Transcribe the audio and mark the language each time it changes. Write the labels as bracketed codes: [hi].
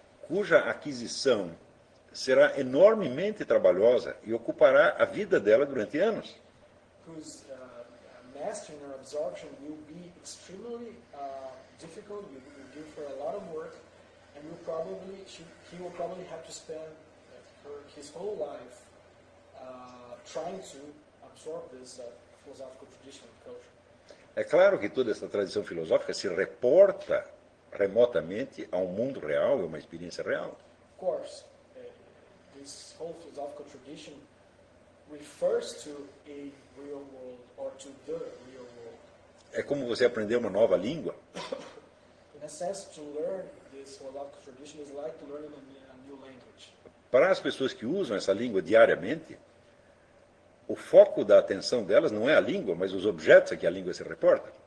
[pt] Cuja aquisição será enormemente trabalhosa e ocupará a vida dela durante anos. [en] Whose mastering or absorption will be extremely difficult, will give for a lot of work, and he will probably have to spend his whole life trying to absorb this philosophical tradition and culture. [pt] É claro que toda essa tradição filosófica se reporta remotamente a mundo real, a uma experiência real. [en] Of course, this whole philosophical tradition refers to a real world or to the real world. [pt] É como você aprender uma nova língua. [en] In a sense, to learn this philosophical tradition is like learning a new language. [pt] Para as pessoas que usam essa língua diariamente, o foco da atenção delas não é a língua, mas os objetos a que a língua se reporta.